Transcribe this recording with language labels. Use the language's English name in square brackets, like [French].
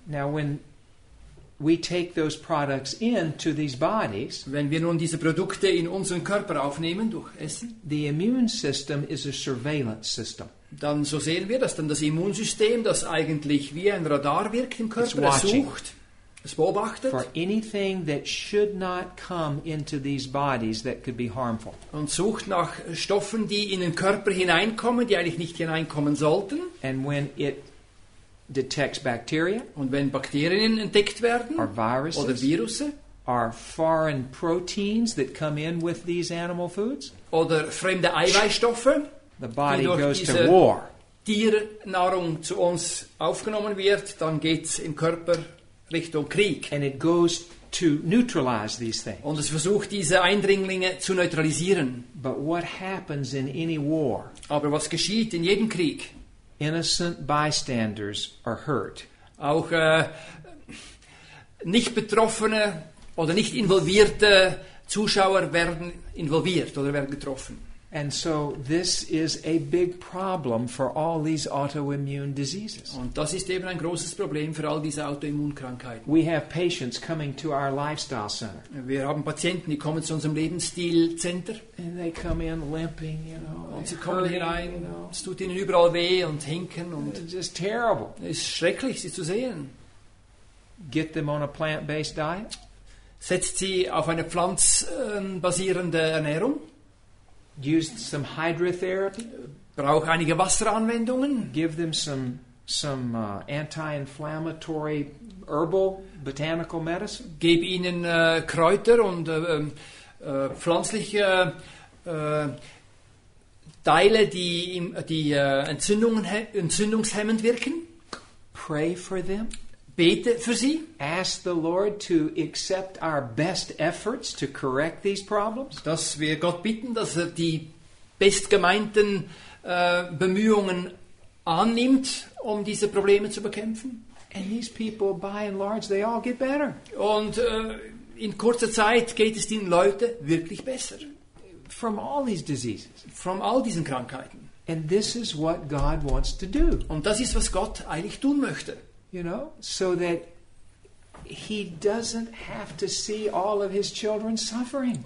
[English] Now when we take those products into these bodies, [German] wenn wir nun diese Produkte in unseren Körper aufnehmen durch Essen, [English] the immune system is a surveillance system. [German] Dann so sehen wir, dass dann das Immunsystem, das eigentlich wie ein Radar wirkt im Körper, [English] it's [German] sucht, es beobachtet. [English] For anything that should not come into these bodies that could be harmful. [German] Und sucht nach Stoffen, die in den Körper hineinkommen, die eigentlich nicht hineinkommen sollten. [English] And when it detects bacteria, [German] und wenn Bakterien entdeckt werden, [English] or viruses, [German] oder Viruse, [English] are foreign proteins that come in with these animal foods, [German] oder fremde Eiweißstoffe, [English] the body [German] die durch [English] goes to war. [German] Tiernahrung zu uns aufgenommen wird, dann geht's im Körper Richtung Krieg. [English] And it goes to neutralize these things. [German] Und es versucht, diese Eindringlinge zu neutralisieren. [English] But what happens in any war? [German] Aber was geschieht in jedem Krieg? [English] Innocent bystanders are hurt. [German] Auch nicht betroffene oder nicht involvierte Zuschauer werden involviert oder werden getroffen. [English] And so this is a big problem for all these autoimmune diseases. [German] Und das ist eben ein großes Problem für all diese Autoimmunkrankheiten. [English] We have patients coming to our lifestyle center. [German] Wir haben Patienten, die kommen zu unserem Lebensstilzentrum. [English] And they come in limping, you know. [German] Und sie kommen hinein, [English] you know. [German] Es tut ihnen überall weh und hinken und [English] it's just terrible. [German] Es ist schrecklich, sie zu sehen. [English] Get them on a plant-based diet. [German] Setzt sie auf eine pflanzenbasierende Ernährung. [English] Use some hydrotherapy. [German] Brauch einige Wasseranwendungen. [English] Give them some anti-inflammatory herbal botanical medicine. [German] Gib ihnen Kräuter und pflanzliche Teile, die entzündungshemmend wirken. [English] Pray for them. [German] Bete für sie. [English] Ask the Lord to accept our best efforts to correct these problems. [German] Dass wir Gott bitten, dass er die bestgemeinten Bemühungen annimmt, um diese Probleme zu bekämpfen. [English] And these people, by and large, they all get better. [German] Und in kurzer Zeit geht es den Leuten wirklich besser. [English] From all these diseases. From [German] all diesen Krankheiten. [English] And this is what God wants to do. [German] Und das ist, was Gott eigentlich tun möchte. [English] You know, so that he doesn't have to see all of his children suffering.